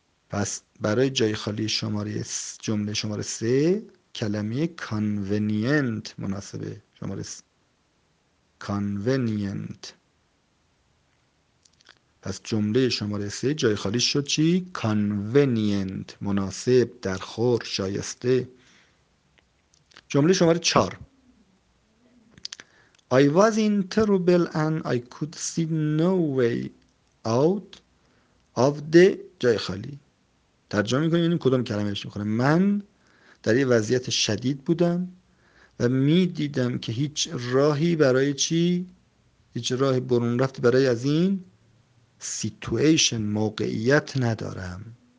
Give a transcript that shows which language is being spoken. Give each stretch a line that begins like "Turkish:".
Persian: پس برای جای خالی شماره جمله شماره 3 کلمه convenient مناسبه. شماره 3 convenient. پس جمله شماره 3 جای خالی شد چی؟ convenient، مناسب، درخور، شایسته. جمله شماره 4:
English: I was in trouble and I could see no way out of the،
Persian: جای خالی. ترجمه میکنیم این کدوم کلمهش میخونه؟ من در یه وضعیت شدید بودم و میدیدم که هیچ راهی برای چی؟ هیچ راه برون رفتی برای از این سیتویشن، موقعیت ندارم.